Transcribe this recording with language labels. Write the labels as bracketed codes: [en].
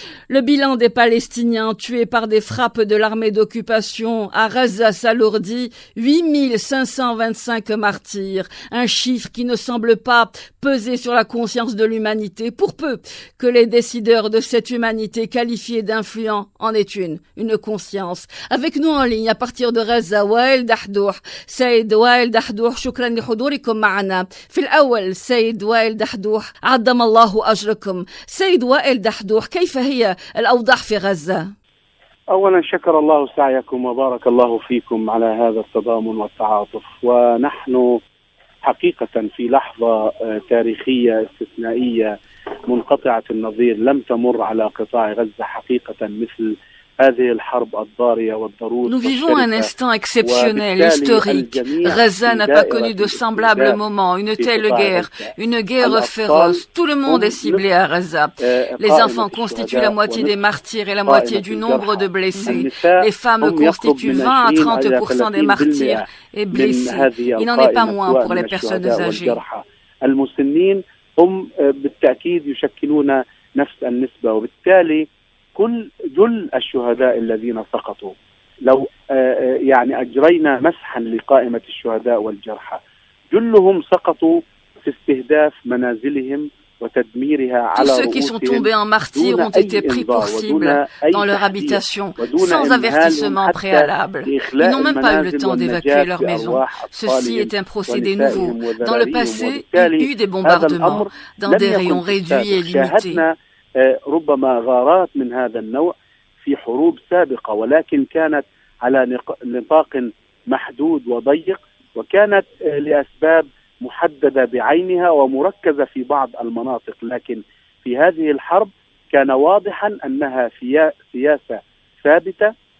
[fr] Le bilan des Palestiniens tués par des frappes de l'armée d'occupation à Gaza s'alourdit, 8525 martyrs, un chiffre qui ne semble pas peser sur la conscience de l'humanité, pour peu que les décideurs de cette humanité qualifiée d'influents en aient une conscience. Avec nous en ligne à partir de Gaza, Wael Dahdour. Saïd Wael Dahdour, [ar] shukran li hudurikum ma'ana. Fil awal, Saïd Wael Dahdour, adam Allahu ajrakum. Saïd Wael Dahdour, kayfa hiya الأوضاع في غزة؟ أولا شكر الله سعيكم وبارك الله فيكم على هذا التضامن والتعاطف، ونحن حقيقة في لحظة تاريخية استثنائية منقطعة النظير، لم تمر على قطاع غزة حقيقة مثل [fr] Nous vivons un instant exceptionnel, historique. Gaza n'a pas connu de semblable moment, une telle guerre, une guerre féroce. Tout le monde est ciblé à Gaza. Les enfants constituent la moitié des martyrs et la moitié du nombre de blessés. Les femmes constituent 20 à 30% des martyrs et blessés. Il n'en est pas moins pour les personnes âgées. [ar] كل الشهداء الذين سقطوا لو يعني أجرينا مسحا لقائمة الشهداء والجرحى كلهم سقطوا في استهداف منازلهم. [fr] Tous ceux qui sont tombés en martyrs ont été pris pour cible dans leur habitation, sans avertissement préalable. Ils n'ont même pas eu le temps d'évacuer leur maison. Ceci est un procédé nouveau. Dans le passé, il y a eu des bombardements dans des rayons réduits et limités. [ar] ربما غارات من هذا النوع في حروب سابقة ولكن كانت على نطاق محدود وضيق وكانت لأسباب محددة بعينها ومركزة في بعض المناطق لكن في هذه الحرب كان واضحا أنها سياسة ثابتة.